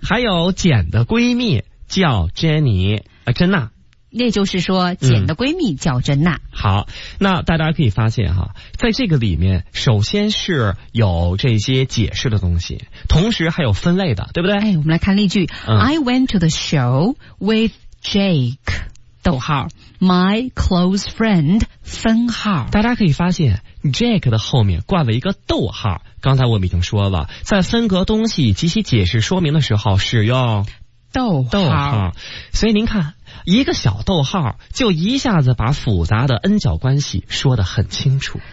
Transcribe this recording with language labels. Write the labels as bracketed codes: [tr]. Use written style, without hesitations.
[zh] 还有简的闺蜜叫珍妮啊，珍娜。那就是说，简的闺蜜叫珍娜，嗯。好，那大家可以发现哈，在这个里面，首先是有这些解释的东西，同时还有分类的，对不对？哎，我们来看例句，嗯， [en] I went to the show with Jake， [zh] 逗号。 [en] my close friend [zh] 分号。大家可以发现 Jack 的后面挂了一个逗号，刚才我们已经说了，在分隔东西及其解释说明的时候使用逗号。所以您看，一个小逗号就一下子把复杂的 N 角关系说得很清楚。